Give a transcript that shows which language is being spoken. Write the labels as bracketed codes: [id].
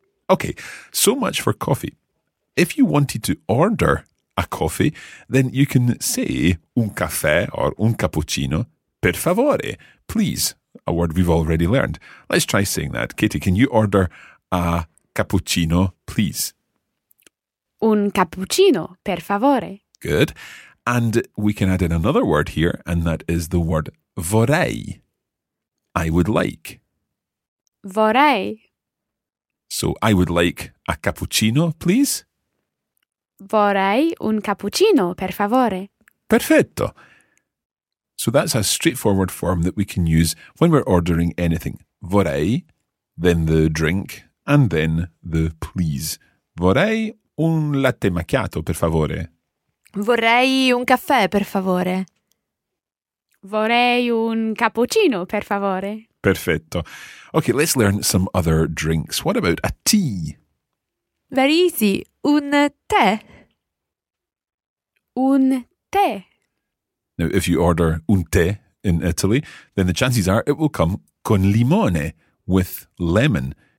[en] Okay, so much for coffee. If you wanted to order a coffee, then you can say un caffè or un cappuccino, [it] per favore, [en] please, a word we've already learned. Let's try saying that. Katie, can you order a cappuccino, please? [it] Un cappuccino, per favore. [en] Good. And we can add in another word here, and that is the word vorrei. I would like. [it] Vorrei. [en] So I would like a cappuccino, please. [it] Vorrei un cappuccino, per favore. Perfetto. [en] So that's a straightforward form that we can use when we're ordering anything. Vorrei, then the drink, and then the please. [it] Vorrei un latte macchiato, per favore. Vorrei un caffè, per favore. Vorrei un cappuccino, per favore. Perfetto. [en] Okay, let's learn some other drinks. What about a tea? Very easy. [it] Un tè. Un tè. [en] Now, if you order un tè in Italy, then the chances are it will come [it] con limone, [en] with lemon.